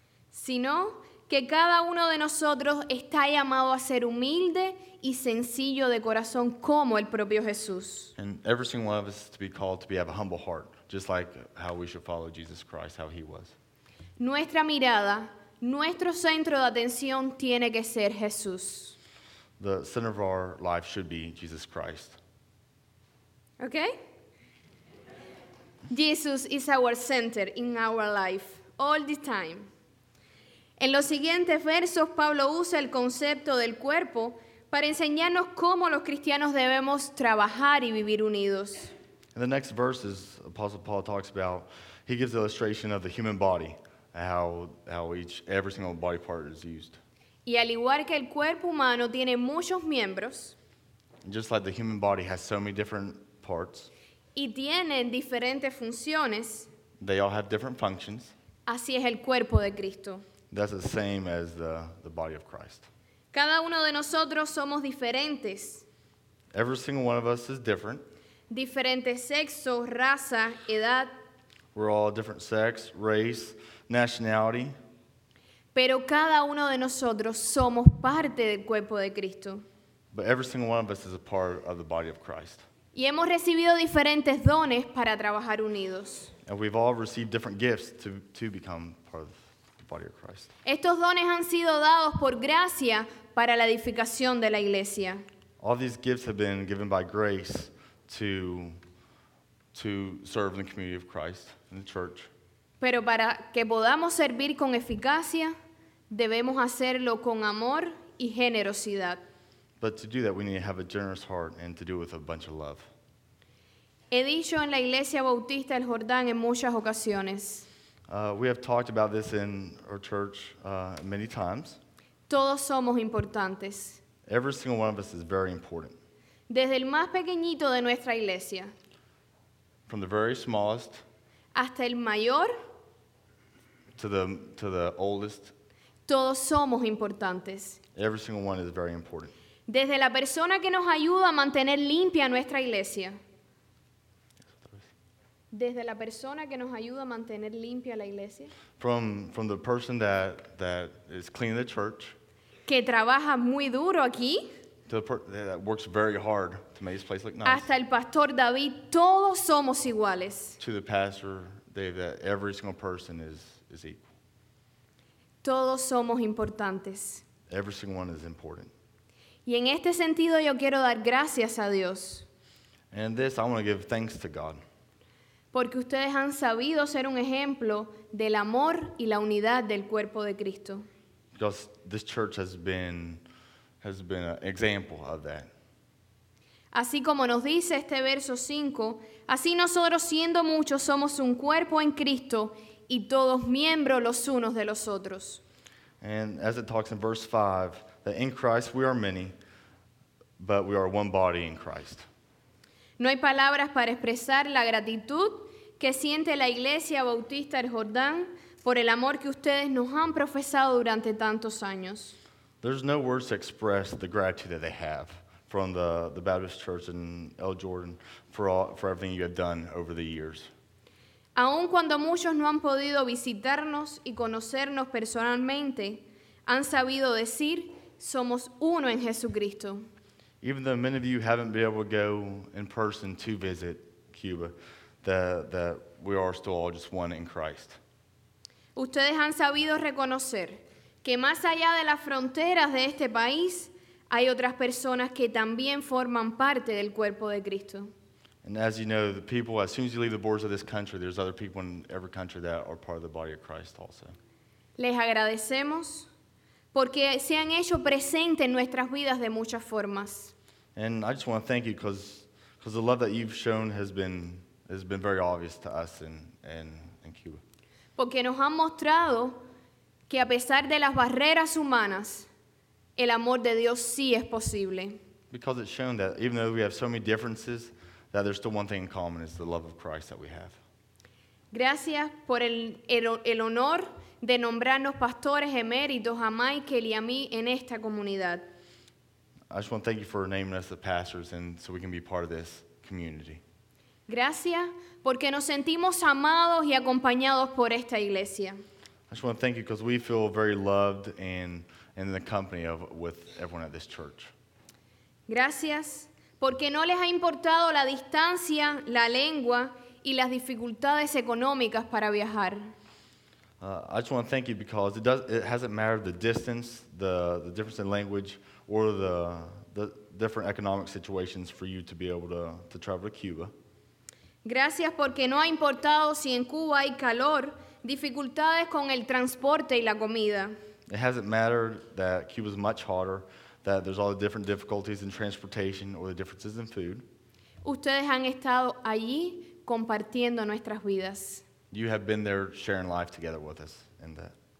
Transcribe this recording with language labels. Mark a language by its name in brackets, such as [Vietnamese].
[Spanish] Sino que cada uno de nosotros está llamado a ser humilde y sencillo de corazón como el propio Jesús. [English] And every single one of us is to be called to have a humble heart, just like how we should follow Jesus Christ, how he was. [Spanish] Nuestra mirada, nuestro centro de atención tiene que ser Jesús. [English] The center of our life should be Jesus Christ. Okay? Jesus is our center in our life, all the time. [Spanish] En los siguientes versos, Pablo usa el concepto del cuerpo para enseñarnos cómo los cristianos debemos trabajar y vivir unidos. [English] In the next verses, Apostle Paul talks about, he gives the illustration of the human body, how every single body part is used. [Spanish] Y al igual que el cuerpo humano tiene muchos miembros, [English] just like the human body has so many different parts, [Spanish] y tienen diferentes funciones, [English] they all have different functions, [Spanish] así es el cuerpo de Cristo. [English] That's the same as the body of Christ. [Spanish] Cada uno de nosotros somos diferentes. [English] Every single one of us is different. [Spanish] Diferente sexo, raza, edad. [English] We're all different sex, race, nationality. [Spanish] Pero cada uno de nosotros somos parte del cuerpo de Cristo. [English] But every single one of us is a part of the body of Christ. [Spanish] Y hemos recibido diferentes dones para trabajar unidos. [English] And we've all received different gifts to become part of body of Christ. [Spanish] Estos dones han sido dados por gracia para la edificación de la iglesia. [English] All these gifts have been given by grace to serve in the community of Christ in the church. [Spanish] Pero para que podamos servir con eficacia, debemos hacerlo con amor y generosidad. [English] But to do that, we need to have a generous heart and to do it with a bunch of love. [Spanish] He dicho en la iglesia bautista del Jordán en muchas ocasiones. [English] We have talked about this in our church many times. [Spanish] Todos somos importantes. [English] Every single one of us is very important. [Spanish] Desde el más pequeñito de nuestra iglesia. [English] From the very smallest. [Spanish] Hasta el mayor. [English] To the oldest. [Spanish] Todos somos importantes. [English] Every single one is very important. [Spanish] Desde la persona que nos ayuda a mantener limpia nuestra iglesia. Desde la persona que nos ayuda a mantener limpia la iglesia. [English] From the person that is cleaning the church. [Spanish] Que trabaja muy duro aquí. [English] That works very hard to make this place look nice. [Spanish] Hasta el pastor David, todos somos iguales. [English] To the pastor David, that every single person is equal. [Spanish] Todos somos importantes. [English] Every single one is important. [Spanish] Y en este sentido yo quiero dar gracias a Dios. [English] And this, I want to give thanks to God. [Spanish] Porque ustedes han sabido ser un ejemplo del amor y la unidad del cuerpo de Cristo. [English] Because this church has been an example of that. [Spanish] Así como nos dice este verso 5, así nosotros siendo muchos somos un cuerpo en Cristo y todos miembros los unos de los otros. [English] And as it talks in verse 5, that in Christ we are many, but we are one body in Christ. [Spanish] No hay palabras para expresar la gratitud que siente la Iglesia Bautista del Jordán por el amor que ustedes nos han profesado durante tantos años. [English] There's no words to express the gratitude that they have from the Baptist Church in El Jordan for everything you have done over the years. [Spanish] Aun cuando muchos no han podido visitarnos y conocernos personalmente, han sabido decir, somos uno en Jesucristo. [English] Even though many of you haven't been able to go in person to visit Cuba, that we are still all just one in Christ. [Spanish] Ustedes han sabido reconocer que más allá de las fronteras de este país, hay otras personas que también forman parte del cuerpo de Cristo. [English] And as you know, the people, as soon as you leave the borders of this country, there's other people in every country that are part of the body of Christ also. [Spanish] Les agradecemos porque se han hecho presente en nuestras vidas de muchas formas. [English] And I just want to thank you because the love that you've shown has been very obvious to us in Cuba. [Spanish] Porque nos han mostrado que a pesar de las barreras humanas, el amor de Dios sí es posible. [English] Because it's shown that even though we have so many differences, that there's still one thing in common, is the love of Christ that we have. [Spanish] Gracias por el honor de nombrarnos pastores eméritos a Michael y a mí en esta comunidad. [English] I just want to thank you for naming us the pastors and so we can be part of this community. [Spanish] Gracias porque nos sentimos amados y acompañados por esta iglesia. [English] I just want to thank you because we feel very loved and in the company of with everyone at this church. [Spanish] Gracias porque no les ha importado la distancia, la lengua y las dificultades económicas para viajar. [English] I just want to thank you because it hasn't mattered the distance, the difference in language, or the different economic situations for you to be able to travel to Cuba. [Spanish] Gracias porque no ha importado si en Cuba hay calor, dificultades con el transporte y la comida. [English] It hasn't mattered that Cuba is much hotter, that there's all the different difficulties in transportation or the differences in food. [Spanish] Ustedes han estado allí compartiendo nuestras vidas. [English] You have been there sharing life together with us in that.